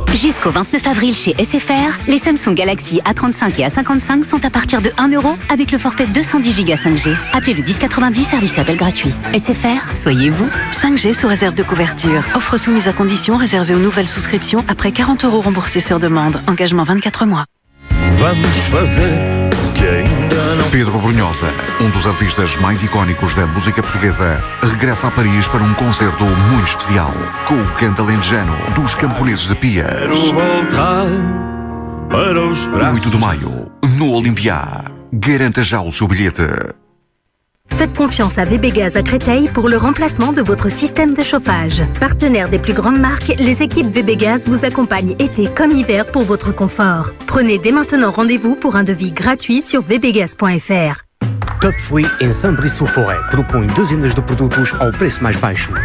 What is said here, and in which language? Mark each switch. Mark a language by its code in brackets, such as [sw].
[fr] Jusqu'au 29 avril chez SFR, les Samsung Galaxy A35 et A55 sont à partir de 1 euro avec le forfait 210 gigas 5G. Appelez le 1090, service appel gratuit. SFR, soyez-vous. 5G sous réserve de couverture. Offre soumise à conditions, réservée aux nouvelles souscriptions après 40 euros remboursés sur demande. Engagement 24 mois. [pt] Vamos fazer o que ainda não... Pedro Brunhosa, um dos artistas mais icónicos da música portuguesa, regressa a Paris para um concerto muito especial com o canto alentejano dos Camponeses de Pias. Quero voltar para os braços... 8 de maio, no Olympia. Garanta já o seu bilhete. [fr] Faites confiance à VB Gaz à Créteil pour le remplacement de votre système de chauffage. Partenaire des plus grandes marques, les équipes VB Gaz vous accompagnent été comme hiver pour votre confort. Prenez dès maintenant rendez-vous pour un devis gratuit sur vbgaz.fr. [pt] Top Free em Saint-Brice-sur-Forêt propõe dezenas de produtos ao preço mais baixo.